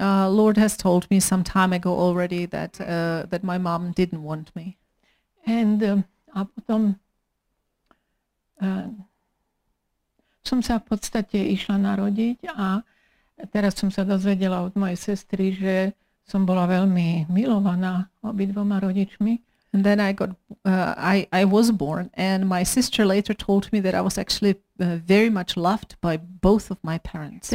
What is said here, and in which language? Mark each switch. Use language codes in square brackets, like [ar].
[en] Lord has told me some time ago already that that my mom didn't want me. [sk] And a potom som sa v podstate išla narodiť a teraz som sa dozvedela od mojej sestry, že som bola veľmi milovaná obidvoma rodičmi. [en] And then I got I was born and my sister later told me that I was actually very much loved by both of my parents.